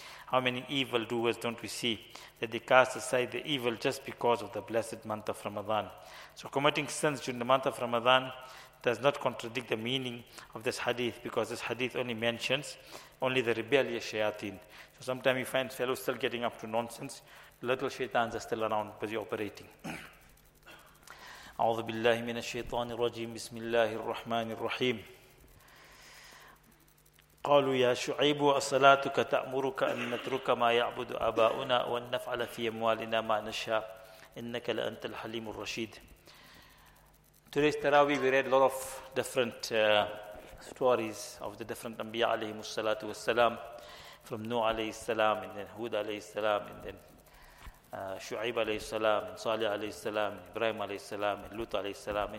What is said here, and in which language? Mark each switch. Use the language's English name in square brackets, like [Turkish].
[English] How many evildoers don't we see that they cast aside the evil just because of the blessed month of Ramadan? So committing sins during the month of Ramadan does not contradict the meaning of this hadith, because this hadith only mentions only the rebellious shayateen. So sometimes you find fellows still getting up to nonsense. Little shaitans are still around, busy operating. [Arabic] أعوذ بالله من الشيطان الرجيم بسم الله الرحمن الرحيم قالوا يا شعيب أصلاتك تأمرك أن نترك ما يعبد آباؤنا وأن نفعل في أموالنا ما نشاء إنك لأنت الحليم الرشيد. [English] Today's Tarawih we read a lot of different stories of the different Anbiya عليهم الصلاة والسلام, from Nuh عليه السلام and then Hud عليه السلام and then Shu'aib alayhi salam, Salih alayhi salam, Ibrahim alayhi salam, Lut alayhi salam.